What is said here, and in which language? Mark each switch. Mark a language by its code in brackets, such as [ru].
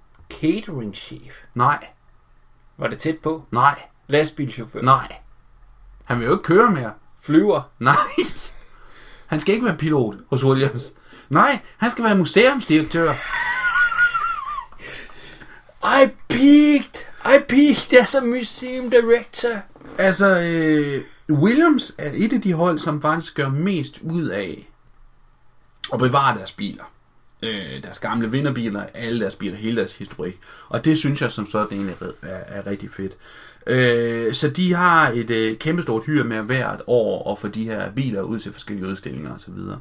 [en] Catering chief? [da] Nej. Var det tæt på? Nej. Lastbilchauffør? Nej. Han vil jo ikke køre mere. Flyver? Nej. Han skal ikke være pilot hos Williams. Nej, han skal være museumsdirektør. [en] I peaked as a museum director. [da] Altså, Williams er et af de hold, som faktisk gør mest ud af at bevare deres biler. Deres gamle vinderbiler, alle deres biler, hele deres historik. Og det synes jeg som sådan egentlig er rigtig fedt. Så de har et kæmpestort hyr med hvert år at få de her biler ud til forskellige udstillinger osv.